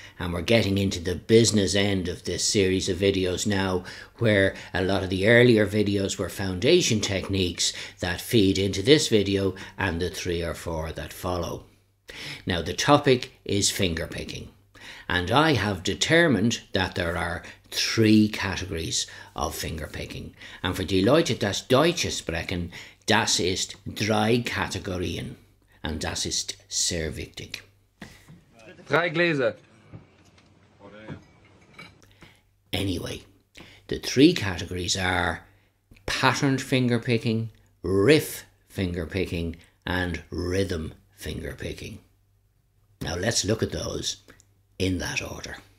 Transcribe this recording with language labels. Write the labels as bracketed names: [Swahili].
[English] And we're getting into the business end of this series of videos now, where a lot of the earlier videos were foundation techniques that feed into this video and the three or four that follow. Now the topic is finger picking, and I have determined that there are three categories of finger picking. And for [German] die Leute, das Deutsche sprechen, das ist drei Kategorien, and das ist sehr wichtig. Drei Gläser. [English] Anyway, the three categories are patterned finger picking, riff finger picking, and rhythm finger picking. Now let's look at those in that order.